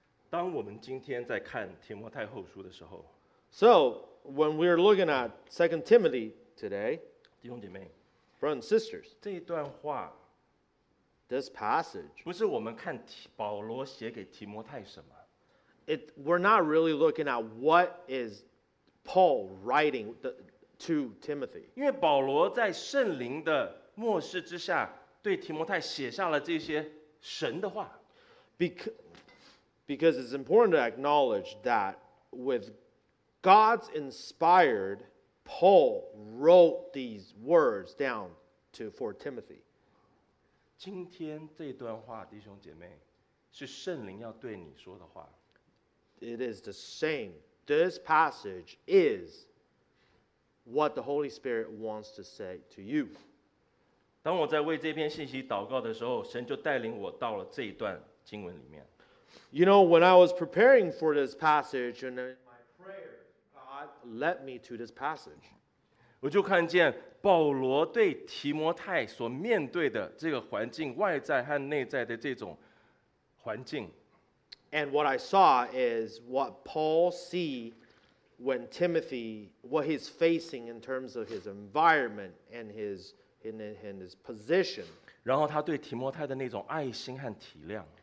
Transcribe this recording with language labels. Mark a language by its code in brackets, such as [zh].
[zh] 当我们今天在看提摩太后书的时候 [en] So, when we are looking at 2 Timothy today, [zh] 弟兄姐妹 [en] brothers and sisters, [zh] 这一段话 [en] this passage, [zh] 不是我们看保罗写给提摩太什么 [en] It, we're not really looking at what is Paul writing the, to Timothy. [zh] 因为保罗在圣灵的默示之下对提摩太写下了这些神的话。 [en] Because it's important to acknowledge that with God's inspired, Paul wrote these words down to, for Timothy. [zh] 今天这段话弟兄姐妹是圣灵要对你说的话。 [en] It is the same. This passage is what the Holy Spirit wants to say to you. [zh] 当我在为这篇信息祷告的时候，神就带领我到了这一段经文里面。 [en] You know, when I was preparing for this passage, and in my prayer, God led me to this passage. [zh] 我就看见保罗对提摩太所面对的这个环境，外在和内在的这种环境。 [en] And what I saw is what Paul see when Timothy, what he's facing in terms of his environment and his position. [zh] 然后他对提摩太的那种爱心和体谅。